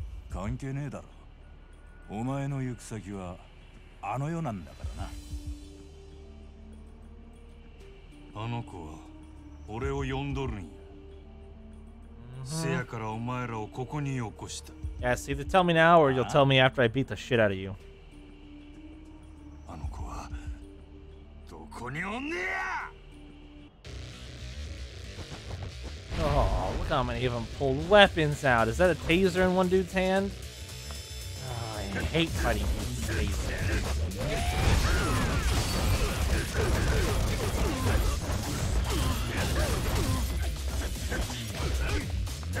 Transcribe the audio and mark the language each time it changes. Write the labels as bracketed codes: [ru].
[ja] 関係ねえだろ。お前の行く先はあの世なんだからな。あの子は俺を呼んどるんや。せやからお前らをここに起こした。 [en] Yeah, see, either tell me now or you'll tell me after I beat the shit out of you. [ja] あの子はどこにおんねや。 [en] Oh, look how many of them pulled weapons out. Is that a taser in one dude's hand? Oh, I hate fighting tasers.